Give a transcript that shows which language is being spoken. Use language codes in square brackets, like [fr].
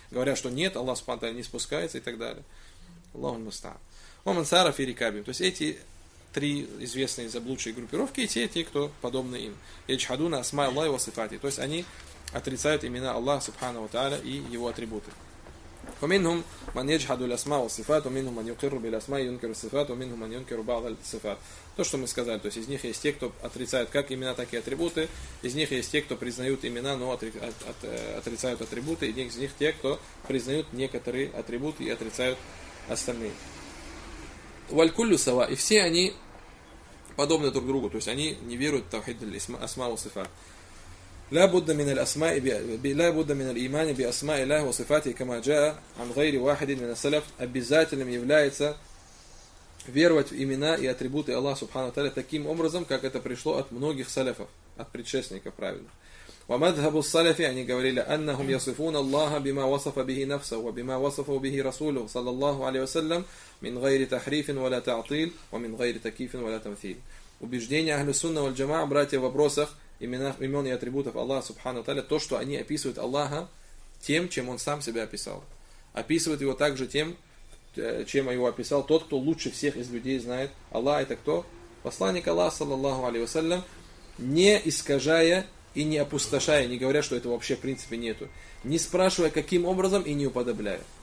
[ru] Говорят, что нет, Аллах Субхану Тааля не спускается и так далее. Аллахум мустаан. [ar] Уман сара фи рикабим. [ru] То есть, эти три известные заблудшие группировки и те, кто подобны им. [ar] Ячхадуна асма Аллахи ва сифати. [ru] То есть, они отрицают имена Аллаха Субхану ва Тааля и его атрибуты. [ar] ومنهم من يجحد الأسماء والصفات ومنهم من يقر بالأسماء ينكر الصفات ومنهم من ينكر بعض الصفات. [ru] То, что мы сказали, то есть из них есть те, кто отрицают как имена, так и атрибуты, из них есть те, кто признают имена, но отрицают атрибуты, и из них те, кто признают некоторые атрибуты и отрицают остальные. [ar] والكل سواء, [ru] и все они подобны друг другу, то есть они не веруют в тавхид [ar] الأسماء والصفات. لابد من الإيمان بأسماء الله وصفاته كما جاء عن غير واحد من السلف. [ru] Обязательным является веровать в имена и атрибуты Аллаха Субхану ва Тааля таким образом, как это пришло от многих салифов, от предшественников правильных. [ar] ومذهب السلف, [ru] они говорили, [ar] أنهم يصفون الله بما وصف به نفسه وبما وصف به رسوله صلى الله عليه وسلم من غير تحريف ولا تعطيل ومن غير تكييف ولا تمثيل. [ru] Убеждение [ar] أهل السنة والجماعة, [ru] братья, в вопросах имен и атрибутов Аллаха Субхану Тааля, то, что они описывают Аллаха тем, чем Он сам себя описал. Описывают Его также тем, чем Его описал тот, кто лучше всех из людей знает. Аллах это кто? Посланник Аллаха, саллаллаху алейхи ва саллям, не искажая и не опустошая, не говоря, что этого вообще в принципе нету, не спрашивая, каким образом и не уподобляя.